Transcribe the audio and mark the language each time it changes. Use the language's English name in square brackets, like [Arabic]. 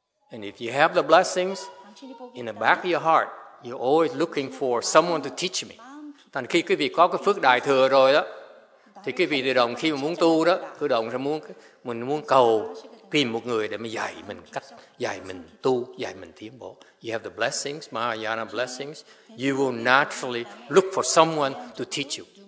[English] And if you have the blessings in the back of your heart, you're always looking for someone to teach me. [Vietnamese] Thành khi quý vị có cái phước đại thừa rồi đó, thì quý vị tự động khi mà muốn tu đó, tự động sẽ muốn mình muốn cầu tìm một người để mà dạy mình cách, dạy mình tu, dạy mình tiến bộ. [English] You have the blessings, Mahayana blessings. You will naturally look for someone to teach you.